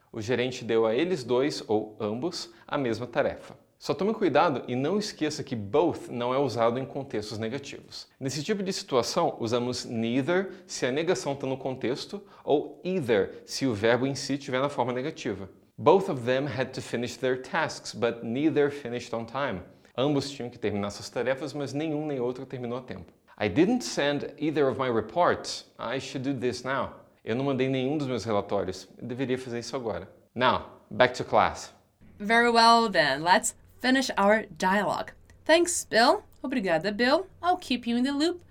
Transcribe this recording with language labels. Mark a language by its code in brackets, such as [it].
[pt] O gerente deu a eles dois, ou ambos, a mesma tarefa. Só tome cuidado e não esqueça que both não é usado em contextos negativos. Nesse tipo de situação, usamos neither se a negação está no contexto ou either se o verbo em si estiver na forma negativa. [en] Both of them had to finish their tasks, but neither finished on time. [pt] Ambos tinham que terminar suas tarefas, mas nenhum nem outro terminou a tempo. [en] I didn't send either of my reports. I should do this now. [pt] Eu não mandei nenhum dos meus relatórios. Eu deveria fazer isso agora. [en] Now, back to class. Very well then, let's finish our dialogue. Thanks, Bill. [pt] Obrigada, [en] Bill. I'll keep you in the loop.